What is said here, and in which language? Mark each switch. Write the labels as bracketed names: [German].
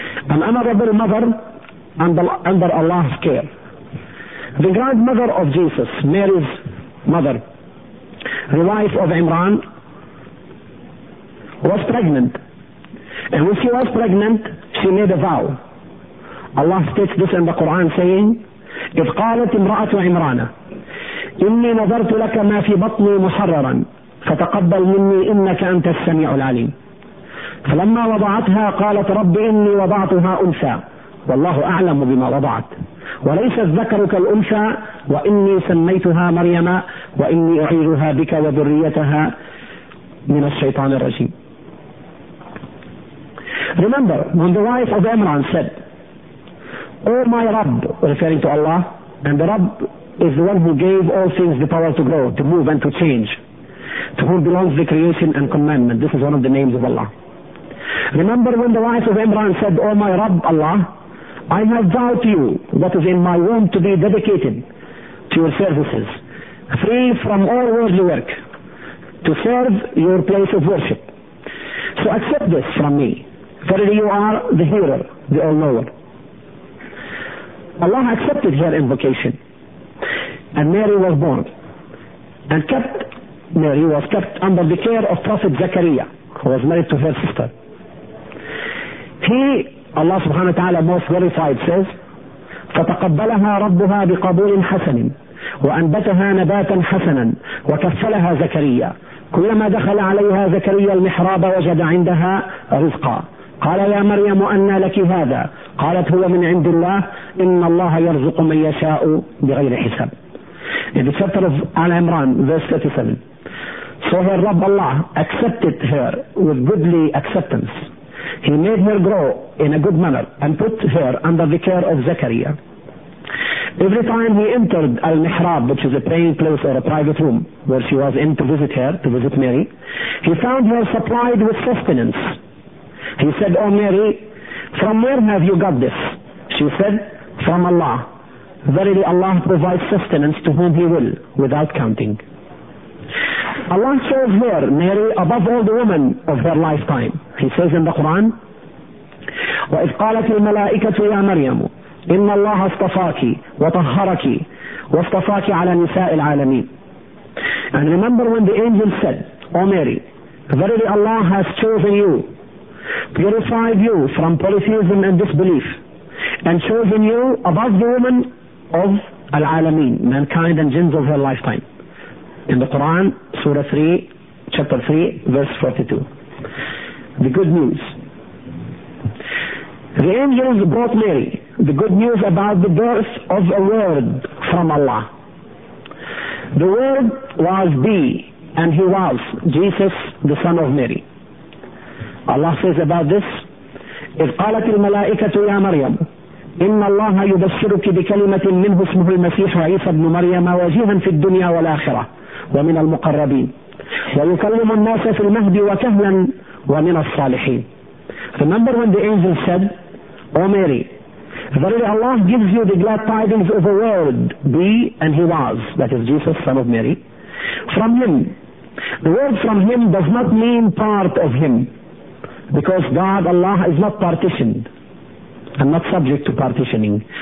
[English] An honorable mother under Allah's care. The grandmother of Jesus, Mary's mother, the wife of Imran, was pregnant. And when she was pregnant, she made a vow. Allah states this in the Quran saying, [Arabic] إِذْ قَالَتِ امْرَأَةُ عِمْرَانَ إِنِّي نَظَرْتُ لَكَ مَا فِي بَطْنِي مُحَرَّرًا فَتَقَبَّلْ مِنِّي إِنَّكَ أَنْتَ السَّمِيعُ الْعَلِيمُ فَلَمَّا وَضَعَتْهَا قَالَتْ رَبِّ إِنِّي وَضَعْتُهَا أُنْثَى وَاللَّهُ أَعْلَمُ بِمَا وَضَعَتْ وَلَيْسَ الذَّكَرُ كَالْأُنْثَى وَإِنِّي سَمَّيْتُهَا مَرْيَمَ وَإِنِّي أُعِيذُهَا بِكَ وَذُرِّيَّتَهَا مِنَ الشَّيْطَانِ الرَّجِيمِ. [English] Remember when the wife of Imran said, O my Rabb, referring to Allah, and the Rabb is the one who gave all things the power to grow, to move and to change, to whom belongs the creation and commandment. This is one of the names of Allah. Remember when the wife of Imran said, O my Rabb, Allah, I have vowed to you what is in my womb to be dedicated to your services, free from all worldly work, to serve your place of worship. So accept this from me. Verily you are the hearer, the all-knower. Allah accepted her invocation, and Mary was born. And Mary was kept under the care of Prophet Zakaria, who was married to her sister. He, Allah subhanahu wa ta'ala, most glorified, says, [Arabic] فَتَقَبَّلَهَا رَبُّهَا بِقَبُولٍ حَسَنٍ وَأَنْبَتَهَا نَبَاتًا حَسَنًا وَكَفَّلَهَا زَكَرِيَّا كُلَّمَا دَخَلَ عَلَيْهَا زَكَرِيَّا الْمِحْرَابَ وَجَدَ عِنْدَهَا رِزْقًا قال يا مريم أنى لك هذا قالت هو من عند الله إن الله يرزق من يشاء بغير حساب. [English] In the chapter of Al Imran, verse 37. So her Rabb Allah accepted her with goodly acceptance. He made her grow in a good manner and put her under the care of Zakaria. Every time he entered Al-Mihrab, which is a praying place or a private room where she was in to visit Mary, he found her supplied with sustenance. He said, O Mary, from where have you got this? She said, from Allah. Verily Allah provides sustenance to whom He will, without counting. Allah chose her, Mary, above all the women of her lifetime. He says in the Quran, [Arabic] وَإِذْ قَالَتِ الْمَلَائِكَةُ يَا مَرْيَمُ إِنَّ اللَّهَ اصْطَفَاكِ وَطَهَّرَكِ وَاصْطَفَاكِ عَلَى نِسَاءِ الْعَالَمِينَ. [English] And remember when the angel said, O Mary, verily Allah has chosen you, purified you from polytheism and disbelief, and chosen you above the woman of Al-Alameen, mankind and jinns of her lifetime. In the Quran, Surah 3, chapter 3, verse 42. The good news. The angels brought Mary the good news about the birth of a word from Allah. The word was be, and he was Jesus, the son of Mary. Allah says about this, [Arabic] إِذْ قَالَتِ الْمَلَائِكَةُ يَا مَرْيَمُ إن الله يبشرك بكلمة منه اسمه المسيح عيسى بن مريم وجيها في الدنيا والآخرة ومن المقربين، ويكلم الناس في المهد وكهلا ومن الصالحين. [English] The number one, the angel said, O Mary, verily Allah gives you the glad tidings of a word, be, and he was, that is Jesus, son of Mary, from him. The word from him does not mean part of him, because God, Allah, is not partitioned and not subject to partitioning.